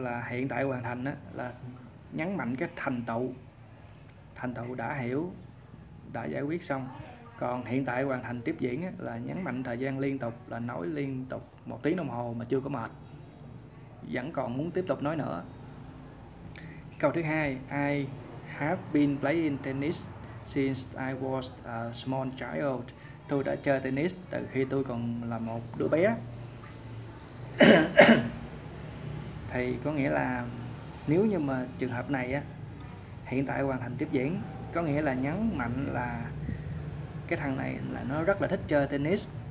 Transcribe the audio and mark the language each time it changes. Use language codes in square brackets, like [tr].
[vi] Là hiện tại hoàn thành đó, là nhấn mạnh cái thành tựu. Thành tựu đã hiểu, đã giải quyết xong. Còn hiện tại hoàn thành tiếp diễn đó, là nhấn mạnh thời gian liên tục, là nói liên tục 1 tiếng đồng hồ mà chưa có mệt, vẫn còn muốn tiếp tục nói nữa. Câu thứ hai, [en] I have been playing tennis since I was a small child. [vi] Tôi đã chơi tennis từ khi tôi còn là một đứa bé. Thì có nghĩa là nếu như mà trường hợp này á, hiện tại hoàn thành tiếp diễn, có nghĩa là nhấn mạnh là cái thằng này là nó rất là thích chơi tennis,